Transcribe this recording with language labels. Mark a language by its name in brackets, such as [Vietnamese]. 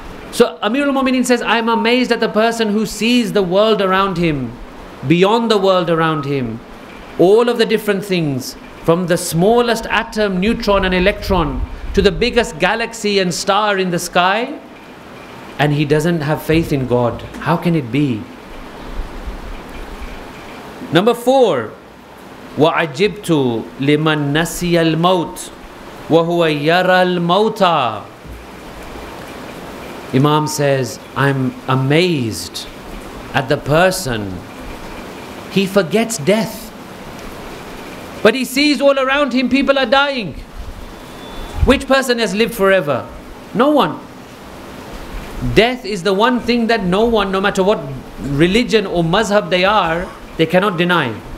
[English] So Amirul Mu'mineen says, I am amazed at the person who sees the world around him, beyond the world around him, all of the different things, from the smallest atom, neutron and electron, to the biggest galaxy and star in the sky, and he doesn't have faith in God. How can it be? Number four, [Arabic] وَعَجِبْتُ لِمَنْ نَسِيَ الْمَوْتِ وَهُوَ يَرَى الْمَوْتَى. [English] Imam says, I'm amazed at the person. He forgets death. But he sees all around him people are dying. Which person has lived forever? No one. Death is the one thing that no one, no matter what religion or mazhab they are, they cannot deny.